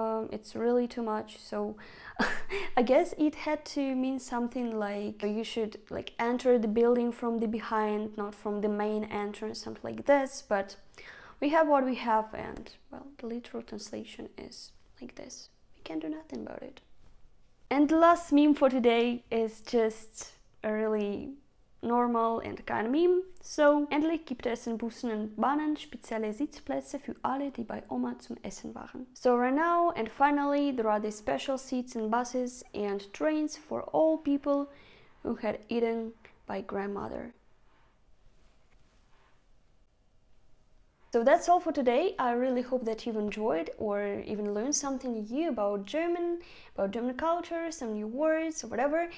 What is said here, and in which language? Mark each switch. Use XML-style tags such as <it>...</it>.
<en>It's really too much, so I guess it had to mean something like you should like enter the building from the behind, not from the main entrance, something like this. But we have what we have, and well, the literal translation is like this. We can do nothing about it. And the last meme for today is just a really normal and kind of meme.</en> <de>So, endlich gibt es in Bussen und Bahnen spezielle Sitzplätze für alle, die bei Oma zum Essen waren.</de> <en>So right now and finally there are the special seats in buses and trains for all people who had eaten by grandmother. So that's all for today. I really hope that you've enjoyed or even learned something new about German culture, some new words or whatever.</en>